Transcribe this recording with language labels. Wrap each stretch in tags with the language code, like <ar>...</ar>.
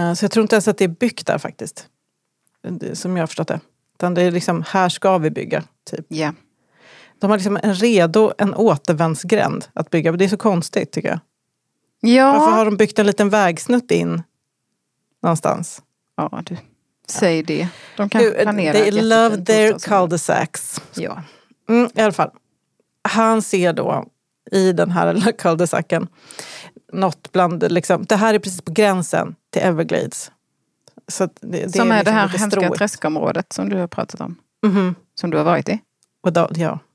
<sv>Så jag tror inte ens att det är byggt där faktiskt. Som jag har förstått det. Utan det är liksom, här ska vi bygga. Typ.</sv> <en>Yeah.</en> <sv>De har liksom en redo, en återvändsgränd att bygga. Det är så konstigt tycker jag. Ja. Varför har de byggt en liten vägsnutt in någonstans? Ja, du... Säg det. De kan planera.</sv> <en>They love their cul-de-sacs.</en> <sv>Ja. Mm, i alla fall. Han ser då i den här cul-de-sacen något bland, liksom, det här är precis på gränsen till Everglades. Så det som är det här hemska träskområdet som du har pratat om. Mm-hmm. Som du har varit i. Och då, ja.</sv>